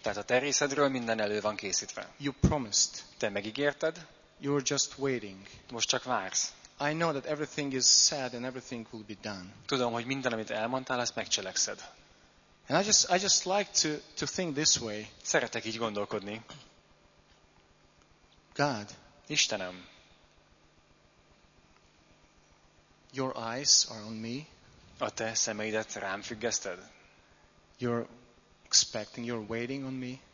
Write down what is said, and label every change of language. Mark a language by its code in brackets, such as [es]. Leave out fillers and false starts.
[hu] Tehát a te részedről minden elő van készítve. [en] You promised. [hu] Te megígérted. [en] You are just waiting. [hu] Most csak vársz. [en] I know that everything is said and everything will be done. [hu] Tudom, hogy minden, amit elmondtál, azt megcselekszed. [en] And I just like to think this way. [hu] Szeretek így gondolkodni. [en] God, [hu] Istenem. [en] Your eyes are on me. [hu] A te szemeidet rám függeszted. [en] You're expecting, you're waiting on me.